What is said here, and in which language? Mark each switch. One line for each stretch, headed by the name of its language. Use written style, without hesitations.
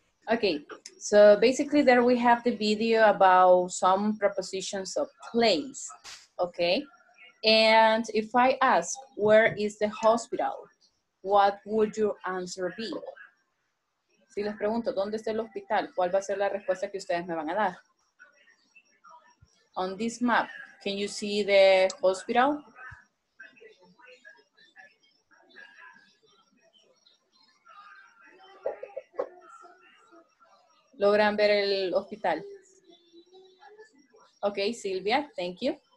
English: Okay, so basically there we have the video about some prepositions of place, okay? And if I ask, where is the hospital? What would your answer be?
Spanish: Si les pregunto, ¿dónde está el hospital? ¿Cuál va a ser la respuesta que ustedes me van a dar?
English: On this map, can you see the hospital?
Spanish: ¿Logran ver el hospital?
English: Okay, Silvia, thank you.